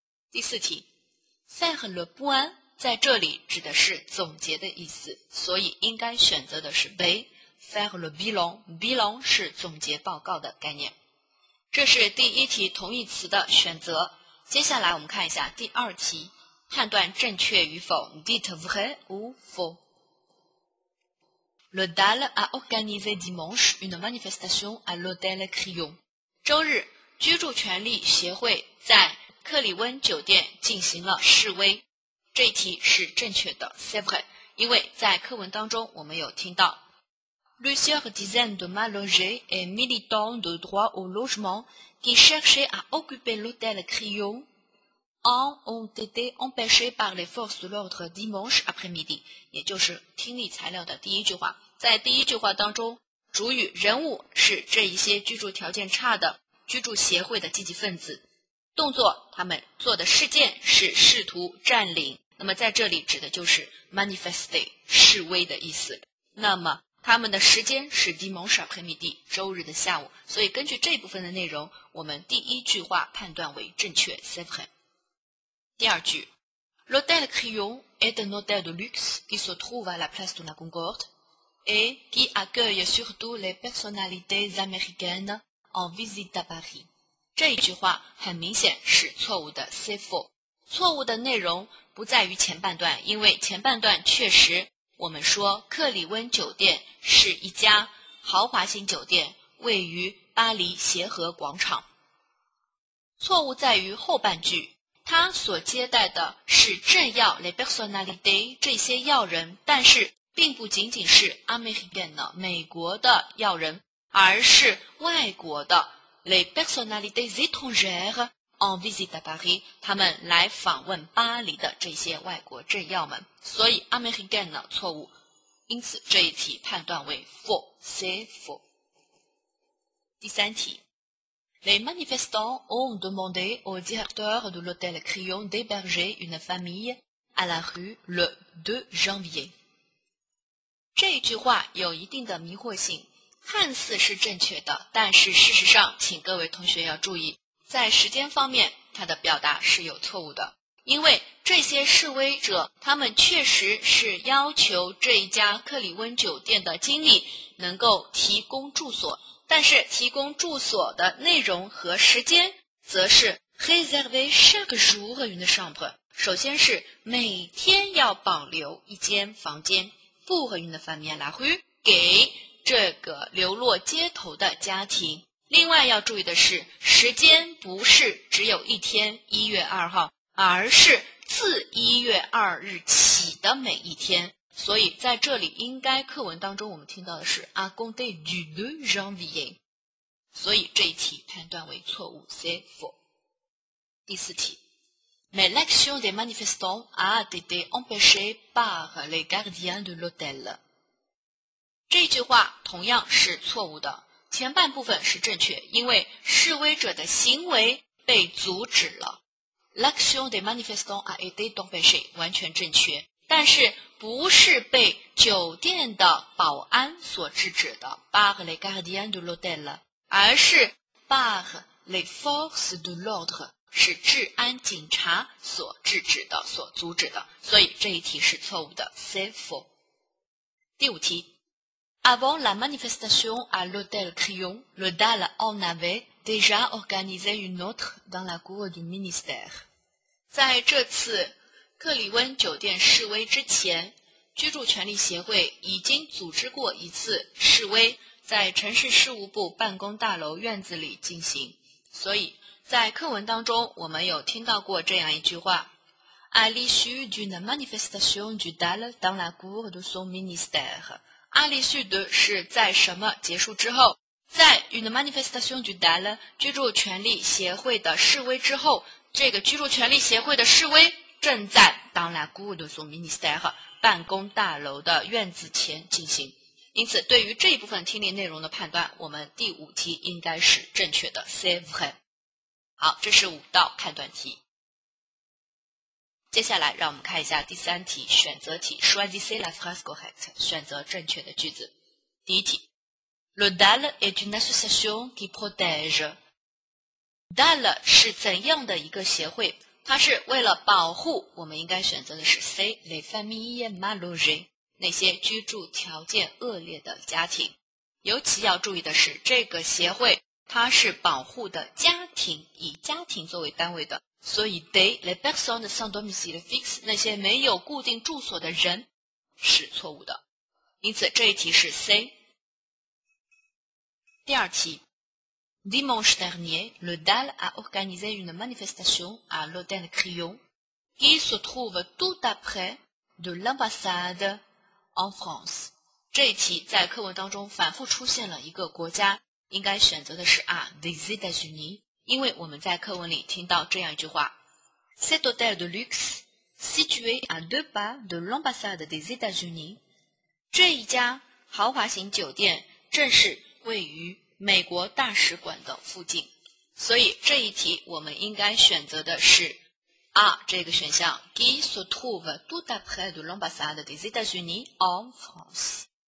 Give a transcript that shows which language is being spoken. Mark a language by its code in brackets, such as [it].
[zh] 第四题 [fr] faire le point [zh] 在这里指的是总结的意思，所以应该选择的是 [fr] faire le bilan， [zh] bilan 是总结报告的概念。这是第一题同义词的选择。接下来我们看一下第二题，判断正确与否， [fr] dites vrai ou faux。 Le DAL a organisé dimanche une manifestation à l'hôtel Crillon。 [zh] 周日居住权利协会在克里温酒店进行了示威，这一题是正确的 [fr] c'est vrai， [zh] 因为在课文当中我们有听到 [fr] plusieurs dizaines de mal logés et militants de droit au logement qui cherchaient à occuper l'hôtel Crillon ont été empêchés par les forces de l'ordre dimanche après-midi， [zh] 也就是听力材料的第一句话。在第一句话当中，主语人物是这一些居住条件差的居住协会的积极分子，动作他们做的事件是试图占领，那么在这里指的就是 manifeste 示威的意思。那么他们的时间是 [fr] dimanche après-midi [zh] 周日的下午，所以根据这部分的内容，我们第一句话判断为正确 [fr] c'est vrai。 [zh] 第二句 [fr] l'hôtel Crillon est un hôtel de luxe qui se trouve à la place de la Concorde et qui accueille surtout les personnalités américaines en visite à Paris。 [zh] 这一句话很明显是错误的 [fr] c'est faux。 [zh] 错误的内容不在于前半段，因为前半段确实我们说克里温酒店是一家豪华型酒店，位于巴黎协和广场。错误在于后半句，他所接待的是政要 [fr] les personnalités [zh] 这些要人，但是并不仅仅是 américaine 美国的要人，而是外国的 [fr] Les personnalités étrangères en visite à Paris， [zh] 他们来访问巴黎的这些外国政要们，所以 américain 呢错误，因此这一题判断为 faux， [fr] c'est faux。 [zh] 第三题 [fr] Les manifestants ont demandé au directeur de l'hôtel Crillon d'héberger une famille à la rue le 2 janvier。 [zh] 这一句话有一定的迷惑性，看似是正确的，但是事实上请各位同学要注意，在时间方面它的表达是有错误的，因为这些示威者他们确实是要求这一家克里温酒店的经理能够提供住所，但是提供住所的内容和时间则是 [fr] réserver chaque jour une chambre， [zh] 首先是每天要保留一间房间 [fr] pour une famille la rue [zh] 给这个流落街头的家庭。另外要注意的是，时间不是只有一天1月2号，而是自1月2日起的每一天，所以在这里应该课文当中我们听到的是 [fr] à compter du 2 janvier， [zh] 所以这一题判断为错误 [fr] c'est faux。 [zh] 第四题 [fr] Mais l'action des manifestants a été empêchée par les gardiens de l'hôtel。 [zh] 这句话同样是错误的，前半部分是正确，因为示威者的行为被阻止了。 [fr] L'action des manifestants a été empêchée， [zh] 完全正确，但是不是被酒店的保安所制止的 [fr] par les gardiens de l'hôtel， [zh] 而是 [fr] par les forces de l'ordre， [zh] 是治安警察所制止的、所阻止的，所以这一题是错误的 [fr] c'est faux。 [zh] 第五题 [fr] Avant la manifestation à l'hôtel Crillon, le DAL en avait déjà organisé une autre dans la cour du ministère. [zh] 在这次克里温酒店示威之前，居住权利协会已经组织过一次示威，在城市事务部办公大楼院子里进行。所以在课文当中我们有听到过这样一句话 [fr] à l'issue d'une manifestation du DAL dans la cour de son ministère。 [zh] 阿里叙德是在什么结束之后，在 [fr] une manifestation du DAL [zh] 居住权利协会的示威之后，这个居住权利协会的示威正在 [fr] dans la cour de son ministère [zh] 办公大楼的院子前进行。因此，对于这一部分听力内容的判断，我们第五题应该是正确的 [fr] c'est vrai。 [zh] 好，这是五道判断题。接下来，让我们看一下第三题选择题 [fr] choisissez la phrase correcte [zh] 选择正确的句子。第一题。 [fr] Le DAL est une association qui protège. [zh] DAL 是怎样的一个协会？它是为了保护，我们应该选择的是 C, [fr] les familles mal logées, [zh] 那些居住条件恶劣的家庭。尤其要注意的是，这个协会它是保护的家庭，以家庭作为单位的。所以 [en] they, [fr] les personnes sans domicile fixe, [zh] 那些没有固定住所的人是错误的。因此这一题是 C。第二题 [fr] Dimanche dernier, le DAL a organisé une manifestation à l'hôtel Crillon qui se trouve tout à près de l'ambassade en France. [zh] 这一题在课文当中反复出现了一个国家，应该选择的是 A, [fr] des États-Unis, [zh] 因为我们在课文里听到这样一句话 [fr] Cet hôtel de luxe, situé à deux pas de l'ambassade des États-Unis, [zh] 这一家豪华型酒店正是位于美国大使馆的附近，所以这一题我们应该选择的是 A 这个选项 [fr] qui se trouve tout à près de l'ambassade des États-Unis en France。